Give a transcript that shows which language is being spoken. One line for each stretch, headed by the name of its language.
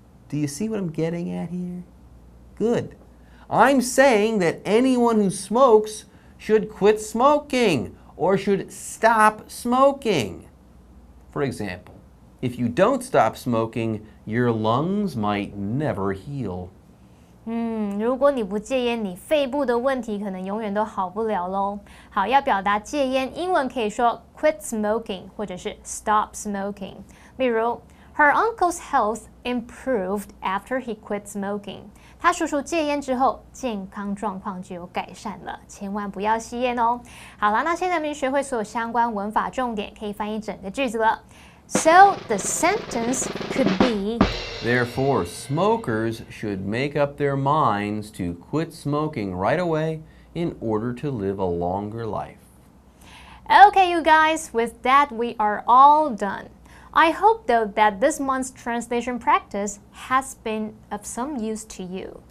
English: Do you see what I'm getting at here? Good. I'm saying that anyone who smokes should quit smoking or should stop smoking. For example, if you don't stop smoking, your lungs might never heal.
Chinese: 如果你不戒烟，你肺部的问题可能永远都好不了咯。好，要表达戒烟，英文可以说 quit smoking 或者是 stop smoking。例如
English: ，Her uncle's health improved after he quit smoking。
Chinese: 他叔叔戒烟之后，健康状况就有改善了。千万不要吸烟哦。好啦，那现在我们学会所有相关文法重点，可以翻译整个句子了。
English: So the sentence could be, therefore, smokers should make up their minds to quit smoking right away in order to live a longer life. Okay, you guys, with that, we are all done. I hope, though, that this month's translation practice has been of some use to you.